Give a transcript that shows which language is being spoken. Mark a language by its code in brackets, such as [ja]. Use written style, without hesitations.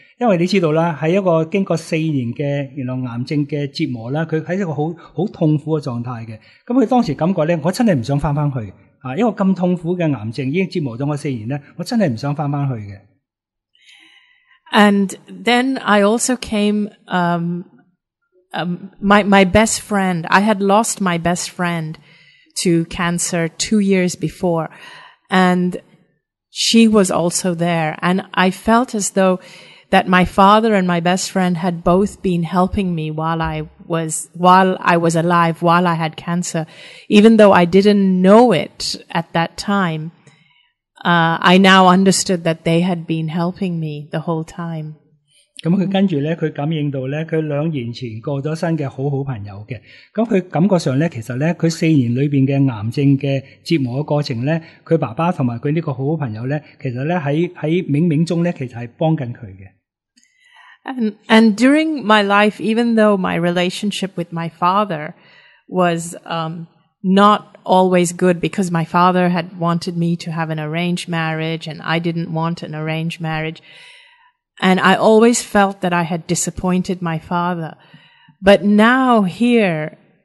[yue] 因为你知道啦喺一个经过4年嘅原来癌症嘅折磨啦佢喺一个好痛苦嘅状态嘅。咁佢当时感觉呢我真系唔想返去。因为咁痛苦嘅癌症已经折磨咗我4年呢我真系唔想返去嘅。 [en] And then I also came, my best friend. I had lost my best friend to cancer 2 years before. And she was also there. And I felt as though that my father and my best friend had both been helping me while I was alive, while I had cancer. Even though I didn't know it at that time. I now understood that they had been helping me the whole time. [yue] 咁佢跟住咧，佢感应到咧，佢2年前过咗身嘅好朋友嘅。咁佢感觉上咧，其实咧，佢4年里边嘅癌症嘅折磨嘅过程咧，佢爸爸同埋佢呢个好朋友咧，其实咧喺冥冥中咧，其实系帮紧佢嘅。 [en] And during my life, even though my relationship with my father was not always good because my father had wanted me to have an arranged marriage and I didn't want an arranged marriage. And I always felt that I had disappointed my father. But now here,